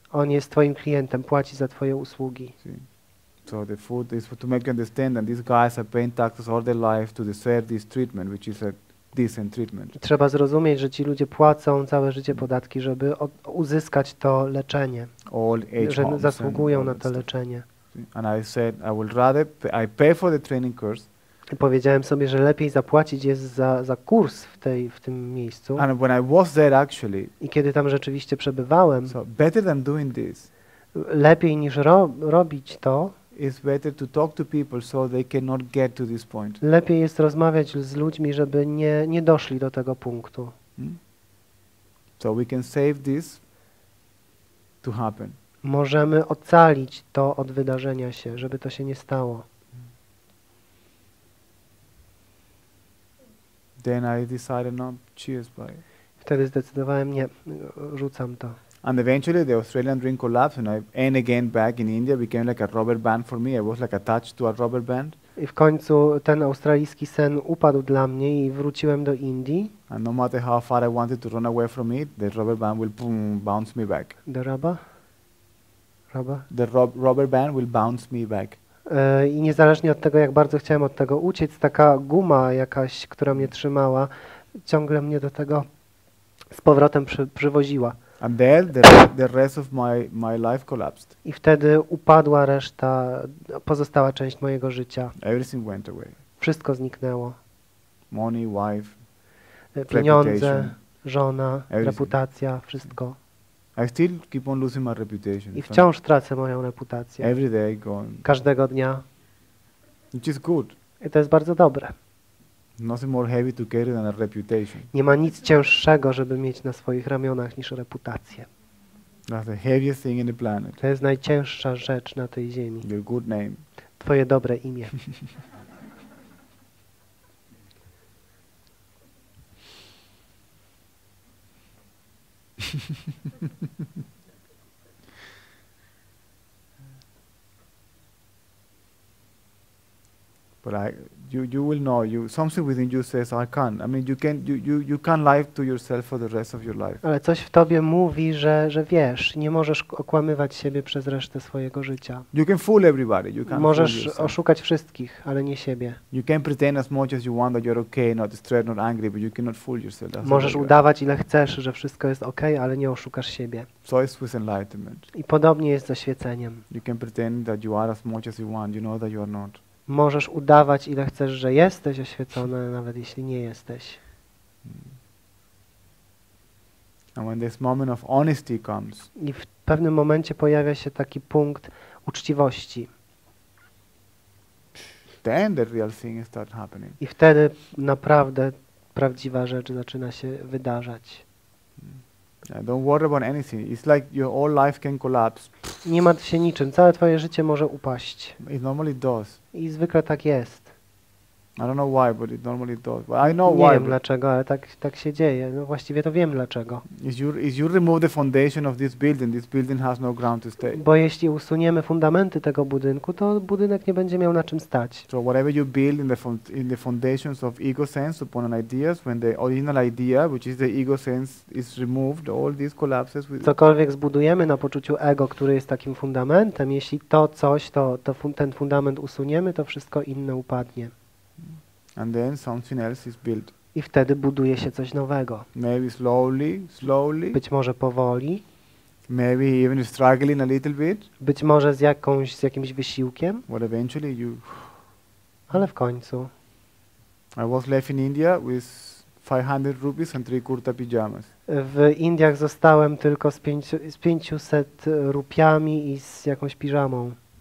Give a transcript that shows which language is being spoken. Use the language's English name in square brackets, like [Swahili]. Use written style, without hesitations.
[Polish] On jest twoim klientem, płaci za twoje usługi. [English] See? So the food is to make you understand that these guys are paying taxes all their life to deserve this treatment, which is a decent treatment. [Polish] Trzeba zrozumieć, że ci ludzie płacą całe życie podatki, żeby uzyskać to leczenie, że zasługują na to leczenie. [English] And I said, I would rather I pay for the training course. [Polish] Powiedziałem sobie, że lepiej zapłacić jest za kurs w tym miejscu. [English] And when I was there actually, [Polish] i kiedy tam rzeczywiście przebywałem, [English] so better than doing this, [Polish] lepiej niż robić to, [English] it's better to talk to people so they cannot get to this point. [Polish] Lepiej jest rozmawiać z ludźmi, żeby nie doszli do tego punktu. [English] So we can save this to happen. [Polish] Możemy ocalić to od wydarzenia się, żeby to się nie stało. [English] Then I decided no, cheers, bye. [Polish] Wtedy zdecydowałem nie, rzucam to. [English] And eventually the Australian dream collapsed and I and again back in India became like a rubber band for me. I was like attached to a rubber band. [Polish] I w końcu ten australijski sen upadł dla mnie i wróciłem do Indii. [English] And no matter how far I wanted to run away from it, the rubber band will boom, bounce me back. The rubber? Rubber? The rubber band will bounce me back. [Polish] I niezależnie od tego, jak bardzo chciałem od tego uciec, taka guma jakaś, która mnie trzymała, ciągle mnie do tego z powrotem przywoziła. [English] And then the rest of my life collapsed. [Polish] I wtedy upadła reszta, pozostała część mojego życia. [English] Everything went away. [Polish] Wszystko zniknęło. [English] Money, wife, [Polish] pieniądze, żona, [English] everything. [Polish] Reputacja, wszystko. [English] I still keep on losing my reputation. [Polish] I wciąż tracę moją reputację. [English] Every day gone. [Polish] Każdego dnia. [English] Which is good. [Polish] I to jest bardzo dobre. [English] Nothing more heavy to carry than a reputation. [Polish] Nie ma nic cięższego, żeby mieć na swoich ramionach niż reputację. [English] That's the heaviest thing in the planet. [Polish] To jest najcięższa rzecz na tej ziemi. [English] Your good name. [Polish] Twoje dobre imię. [English] But you will know you something within you says I can't. I mean you can't lie to yourself for the rest of your life. [Polish] Ale coś w tobie mówi, że wiesz, nie możesz okłamywać siebie przez resztę swojego życia. [English] You can fool everybody. You can't. [Polish] Możesz oszukać wszystkich, ale nie siebie. [English] You can pretend as much as you want that you're okay, not distraught, not angry, but you cannot fool yourself. That's [Polish] możesz udawać ile chcesz, że wszystko jest okay, ale nie oszukasz siebie. [English] So is with enlightenment. [Polish] I podobnie jest z oświeceniem. [English] You can pretend that you are as much as you want. You know that you are not. [Polish] Możesz udawać, ile chcesz, że jesteś oświecony, nawet jeśli nie jesteś. [English] And when this moment of honesty comes, [Polish] i w pewnym momencie pojawia się taki punkt uczciwości. [English] Then the real thing starts happening. [Polish] I wtedy naprawdę prawdziwa rzecz zaczyna się wydarzać. [English] Don't worry about anything. It's like your whole life can collapse. [Polish] Nie martw się niczym. Całe twoje życie może upaść. [English] It normally does. [Polish] I zwykle tak jest. [English] I don't know why, but it normally does. But I know why. [Polish] Nie wiem dlaczego, ale tak się dzieje. No właściwie to wiem dlaczego. [English] If you remove the foundation of this building has no ground to stay. [Polish] Bo jeśli usuniemy fundamenty tego budynku, to budynek nie będzie miał na czym stać. [English] So whatever you build in the foundations of ego sense upon an ideas, when the original idea, which is the ego sense, is removed, all these collapses. [Polish] Cokolwiek zbudujemy na poczuciu ego, który jest takim fundamentem, jeśli to coś, ten fundament usuniemy, to wszystko inne upadnie. [English] And then something else is built. [Polish] I wtedy buduje się coś nowego. [English] Maybe slowly. [Polish] Być może powoli. [English] Maybe even struggling a little bit. [Polish] Być może z jakimś wysiłkiem. [English] But eventually you. [Polish] Ale w końcu. [English] I was left in India with 500 rupees and 3 kurta pyjamas. [Polish] W Indiach zostałem tylko z 500 rupiami i z jakąś piżamą.